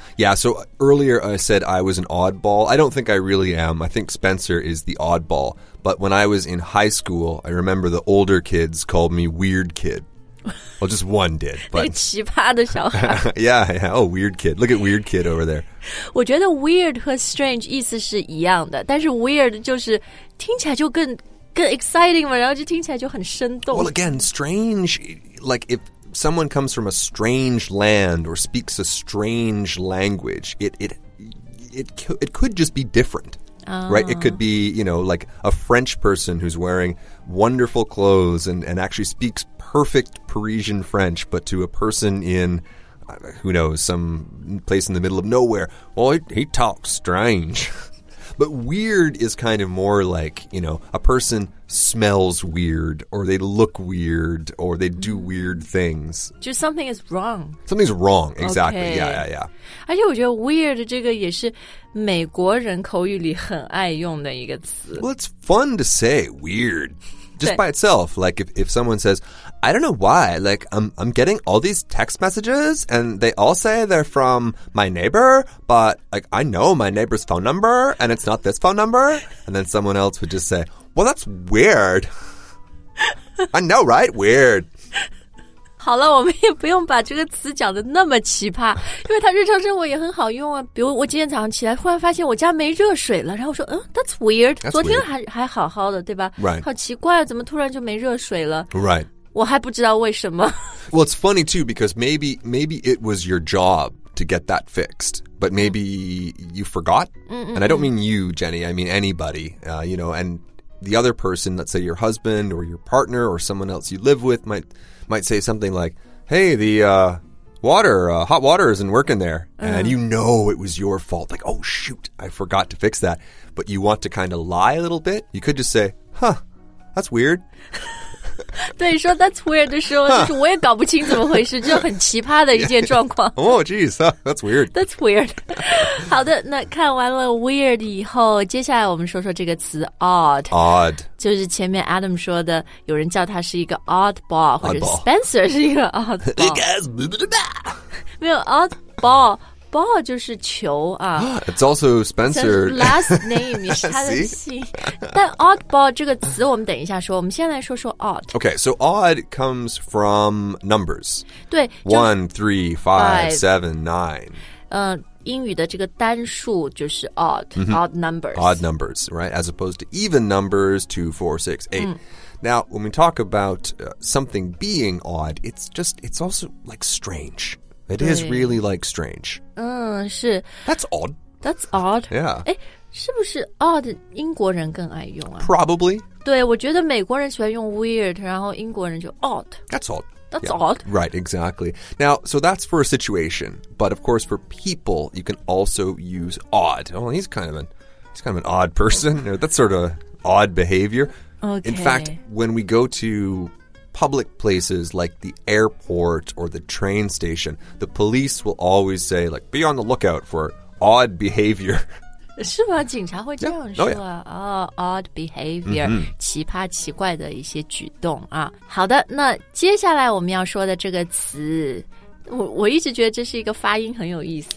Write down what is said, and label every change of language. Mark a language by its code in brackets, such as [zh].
[en] Yeah, so earlier I said I was an oddball. I don't think I really am. I think Spencer is the oddball. But when I was in high school, I remember the older kids called me weird kid. Well, just one did. But... [zh] 那个奇葩的小孩。 [en] Yeah. Oh, weird kid. Look at weird kid over there. [zh] 我觉得 weird 和 strange 意思是一样的，但是 weird 就是听起来就更 exciting 嘛，然后就听起来就很生动。 [en] Well, again, strange, like if someone comes from a strange land or speaks a strange language, it could just be different, right? It could be, you know, like a French person who's wearing wonderful clothes and actually speaks perfect Parisian French, but to a person in... who knows, some place in the middle of nowhere. Well, he talks strange. But weird is kind of more like, you know, a person smells weird, or they look weird, or they do weird things. Just something is wrong. Something's wrong, exactly. Okay. Yeah. [zh] 而且我觉得 weird 这个也是美国人口语里很爱用的一个词。 [en] Well, it's fun to say weird. Just by itself, like if someone says, I don't know why, like I'm getting all these text messages and they all say they're from my neighbor, but like I know my neighbor's phone number and it's not this phone number. And then someone else would just say, well, that's weird. I know, right? Weird. [zh] 好了，我们也不用把这个词讲得那么奇葩，因为它日常生活也很好用啊。比如我今天早上起来，忽然发现我家没热水了，然后我说， [en] that's weird. That's [zh] 昨天还 [en] weird. [zh] 还好好的，对吧 [en] ？Right. [zh] 好奇怪啊，怎么突然就没热水了 [en] ？Right. [zh] 我还不知道为什么。 [en] Well, it's funny too because maybe it was your job to get that fixed, but maybe you forgot. And I don't mean you, Jenny. I mean anybody. You know, and the other person, let's say your husband or your partner or someone else you live with, might say something like, hey, the hot water isn't working there. Uh-huh. And you know it was your fault. Like, oh, shoot, I forgot to fix that. But you want to kind of lie a little bit. You could just say, huh, that's weird. [zh] 对，说 [en] that's weird [zh] 的时候，就是我也搞不清怎么回事，就很奇葩的一件状况。 [en] Yeah, yeah. Oh, geez, that's weird. That's weird. [zh] 好的，那看完了 weird 以后，接下来我们说说这个词 odd. [en] Odd. [zh] 就是前面 Adam 说的，有人叫他是一个 oddball, 或者 Spencer 是一个 oddball. [en] Hey guys, blah, blah, blah. [zh] 没有 oddball, ball 就是球啊。 [en] It's also Spencer's last name [zh] 也是他的姓。但 oddball 这个词我们等一下说，我们先来说说 odd. [en] Okay, so odd comes from numbers. [zh] 对 [en] ,1, 3, 5, 7, 9. [zh] 英语的这个单数就是 odd,、mm-hmm. [en] odd numbers. Odd numbers, right? As opposed to even numbers, 2, 4, 6, 8.、Mm. Now, when we talk about something being odd, it's also like strange. It is really, like, strange. [zh] 是。 [en] That's odd. That's odd. Yeah. [zh] 是不是 odd 英国人更爱用啊? [en] Probably. [zh] 对,我觉得美国人喜欢用 weird, 然后英国人就 odd. [en] That's odd. That's、yeah. odd. Right, exactly. Now, so that's for a situation. But, of course, for people, you can also use odd. Oh, he's kind of an odd person. That's sort of odd behavior. Okay. In fact, when we go to... public places like the airport or the train station, the police will always say, like, be on the lookout for odd behavior. [zh] 是吗?警察会这样说啊? [en] Yeah. Oh, yeah. Oh, odd behavior,、 [zh] mm-hmm. 奇葩奇怪的一些举动啊。好的,那接下来我们要说的这个词,我一直觉得这是一个发音很有意思。